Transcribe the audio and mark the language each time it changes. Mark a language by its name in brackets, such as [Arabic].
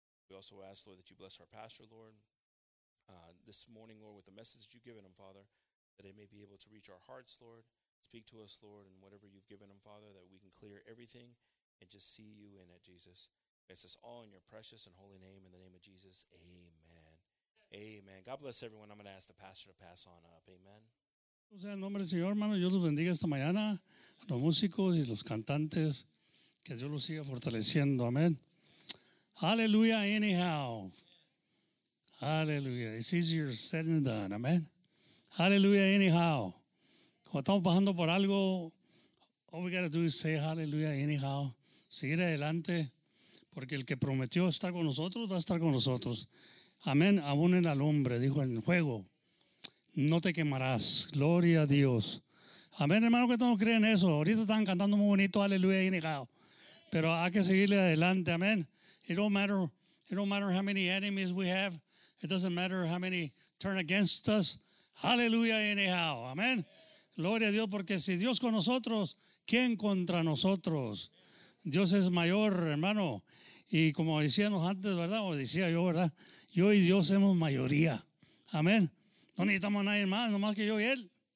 [English] We also ask, Lord, that you bless our pastor, Lord, this morning, Lord, with the message that you've given him, Father, that it may be able to reach our hearts, Lord, speak to us, Lord, and whatever you've given him, Father, that we can clear everything and just see you in it, Jesus. It's us all in your precious and holy name, in the name of Jesus, amen. Amen. God bless everyone. I'm going to ask the pastor to pass on up, amen. [Spanish] O sea, en nombre del Señor, hermano, Dios los bendiga esta mañana, a los músicos y los cantantes, que Dios los siga fortaleciendo, amén. [English] Hallelujah, anyhow. Hallelujah. It's easier said than done. Amen. Hallelujah, anyhow. [Spanish] Cuando estamos bajando por algo, [English] all we got to do is say hallelujah, anyhow. [Spanish] Seguir adelante, porque el que prometió estar con nosotros, va a estar con nosotros. Amén. Aún en el hombre, dijo en el juego, no te quemarás. Gloria a Dios. Amén, hermano, que todos creen eso. Ahorita están cantando muy bonito, [English] hallelujah, anyhow. [Spanish] Pero hay que seguirle adelante. Amén. [English] It don't matter how many enemies we have. It doesn't matter how many turn against us. Hallelujah, anyhow. Amen. [Spanish] Gloria a Dios, porque si Dios con nosotros, ¿quién contra nosotros? Dios es mayor, hermano. Y como decíamos antes, ¿verdad? O decía yo, ¿verdad? Yo y Dios somos mayoría. Amen. No necesitamos a nadie más, nomás que yo y Él.